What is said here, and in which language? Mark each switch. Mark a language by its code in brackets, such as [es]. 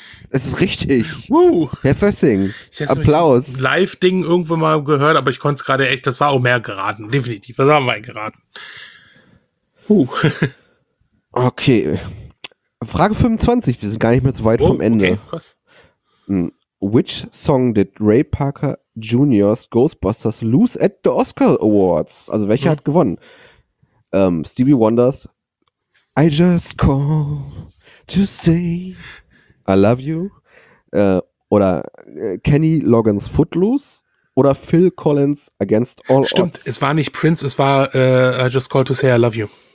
[de] Es ist richtig. Woo. Herr Fössing, ich Applaus. Ich habe Live-Ding irgendwo mal gehört, aber ich konnte es gerade echt, das war auch mehr geraten, definitiv. Das haben wir geraten. Okay. Frage 25, wir sind gar nicht mehr so weit vom Ende. Okay. [en] Which song did Ray Parker Jr.'s Ghostbusters lose at the Oscar Awards? [de] Also welcher hat gewonnen? Stevie Wonder's I just call to say I love you oder Kenny Loggins' Footloose? Oder Phil Collins Against All Stimmt, Odds? Stimmt, es war nicht Prince, es war I just call to say I love you.